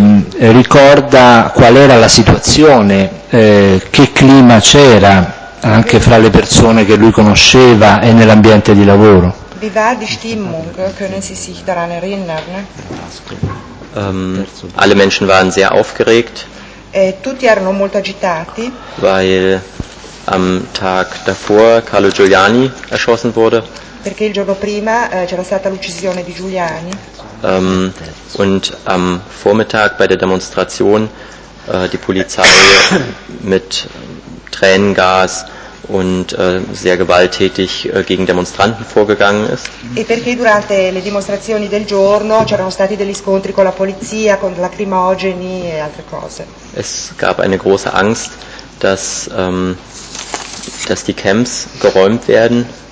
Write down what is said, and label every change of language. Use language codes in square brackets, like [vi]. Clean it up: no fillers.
[it] Ricorda qual era la situazione, che clima c'era anche fra le persone che lui conosceva e nell'ambiente di lavoro. [de] Wie war die Stimmung? Können Sie sich daran erinnern? Alle Menschen waren sehr aufgeregt. [it] Tutti erano molto agitati. [de] Weil am Tag davor Carlo Giuliani erschossen wurde. [it] Perché il giorno prima c'era stata l'uccisione di Giuliani. [de] Und am Vormittag bei der Demonstration die Polizei mit Tränengas und sehr gewalttätig gegen Demonstranten vorgegangen ist. [it] E perché durante le dimostrazioni del giorno c'erano stati degli scontri con la polizia, con lacrimogeni e altre cose. [de] Es gab eine große Angst, dass dass die Camps geräumt werden.